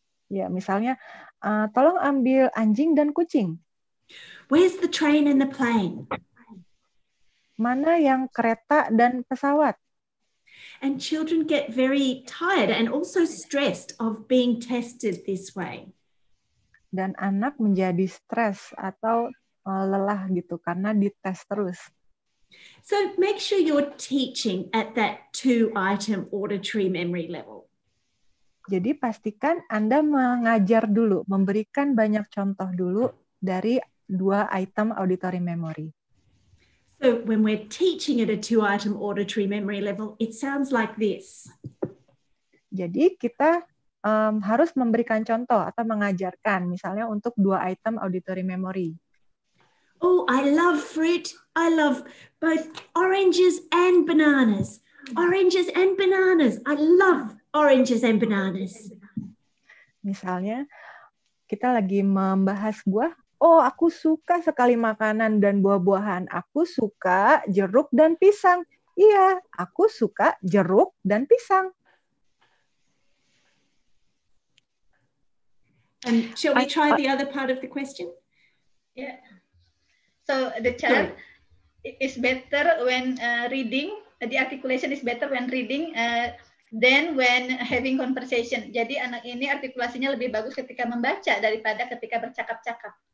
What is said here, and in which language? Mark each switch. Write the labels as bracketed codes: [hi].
[id] Yeah, misalnya, tolong ambil anjing dan kucing. [en] Where's the train and the plane? [id] Mana yang kereta dan pesawat? [en] And children get very tired and also stressed of being tested this way. [id] Dan anak menjadi stres atau lelah gitu karena dites terus. [en] So make sure you're teaching at that two item auditory memory level. [id] Jadi pastikan Anda mengajar dulu, memberikan banyak contoh dulu dari dua item auditory memory. [en] So when we're teaching at a two item auditory memory level, it sounds like this. [id] Jadi kita harus memberikan contoh atau mengajarkan misalnya untuk dua item auditory memory. [en] Oh, I love fruit. I love both oranges and bananas. Oranges and bananas. I love oranges and bananas. [id] Misalnya, kita lagi membahas buah. Oh, aku suka sekali makanan dan buah-buahan. Aku suka jeruk dan pisang. Iya, aku suka jeruk dan pisang. [en] And shall we try the other part of the question? Yeah. So the child is better when reading, the articulation is better when reading than when having conversation. [id] Jadi anak ini artikulasinya lebih bagus ketika membaca daripada ketika bercakap-cakap.